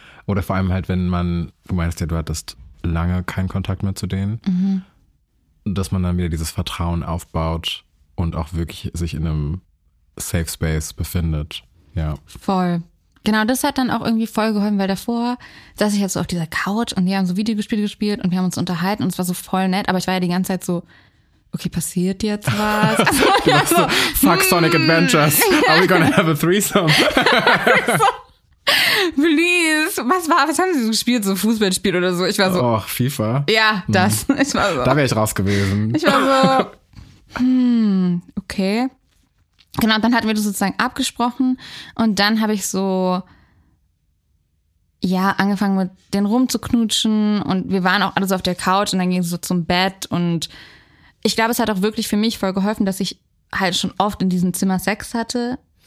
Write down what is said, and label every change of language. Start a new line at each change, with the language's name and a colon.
German: Oder vor allem halt, wenn man, du meinst ja, du hattest lange keinen Kontakt mehr zu denen, dass man dann wieder dieses Vertrauen aufbaut und auch wirklich sich in einem Safe Space befindet, ja. Voll. Genau, das hat dann auch irgendwie voll geholfen, weil davor saß ich jetzt so auf dieser Couch und wir haben so Videospiele gespielt und wir haben uns unterhalten und es war so voll nett, aber ich war ja die ganze Zeit so, okay, passiert jetzt was? Also, ja, so,
English: fuck Sonic Adventures, are we gonna have a threesome?
German: Please, was haben sie so gespielt, so Fußballspiel oder so? Ich war so, oh, FIFA? Ja, das. Ich war so, da wäre ich raus gewesen. Ich war so, okay. Genau, dann hatten wir das sozusagen abgesprochen und dann habe ich so, ja, angefangen mit denen rumzuknutschen und wir waren auch alle so auf der Couch und dann ging es so zum Bett und ich glaube, es hat auch wirklich für mich voll geholfen, dass ich halt schon oft in diesem Zimmer Sex hatte.